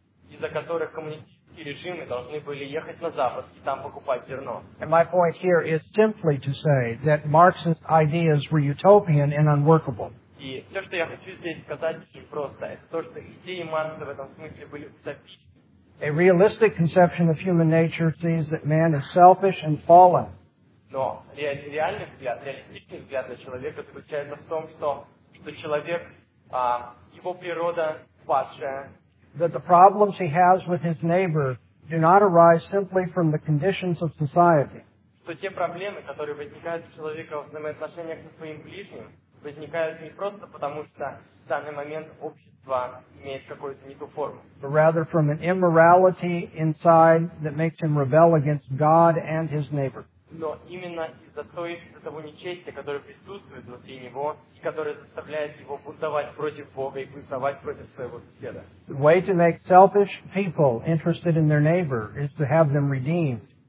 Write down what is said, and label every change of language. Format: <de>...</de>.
<ru>Из-за которых коммунистические режимы должны были ехать на Запад и там покупать зерно.</ru> <en>And my point here is simply to say that Marx's ideas were utopian and unworkable.</en> <ru>И все, что я хочу здесь сказать, очень просто. Это то, что идеи Маркса в этом смысле были утопичны.</ru> <en>A realistic conception of human nature sees that man is selfish and fallen.</en> <ru>Но реалистичный взгляд на человека заключается в том, что человек, его природа падшая.</ru> <en>That the problems he has with his neighbor do not arise simply from the conditions of society.</en> <ru>Что те проблемы, которые возникают у человека в взаимоотношениях со своим ближним, возникают не просто потому, что в данный момент общество имеет какую-то не ту форму.</ru> <en>But rather from an immorality inside that makes him rebel against God and his neighbor.</en> <ru>Но именно из-за того нечестия, которое присутствует внутри него, и которое заставляет его бунтовать против Бога и бунтовать против своего соседа.</ru> <en>The way to make selfish people interested in their neighbor is to have them redeemed.</en>